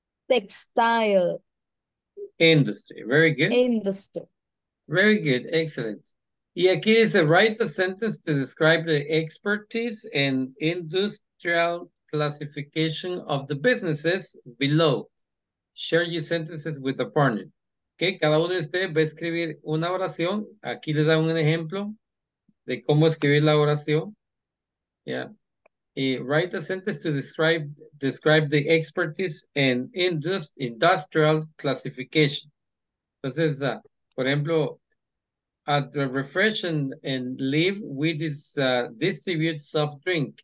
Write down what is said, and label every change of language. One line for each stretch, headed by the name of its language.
English: Textile. Industry. Very good. Industry. Very good. Excellent.
Spanish: Y aquí dice,
English: write the sentence to describe the expertise and industrial classification of the businesses below. Share your sentences with the partner.
Spanish: Que cada uno de ustedes va a escribir una oración. Aquí les da un ejemplo de cómo escribir la oración.
English: Yeah. Y write a sentence to describe the expertise and industrial classification.
Spanish: Entonces, por ejemplo,
English: at the refresh and leave, we distribute soft drink.